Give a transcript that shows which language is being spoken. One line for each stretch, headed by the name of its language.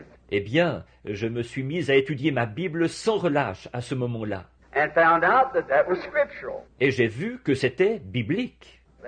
French: Eh bien, je me suis mis à étudier ma Bible sans relâche à ce moment-là.
English: And found out that that was scriptural.
French: Et j'ai vu que c'était biblique.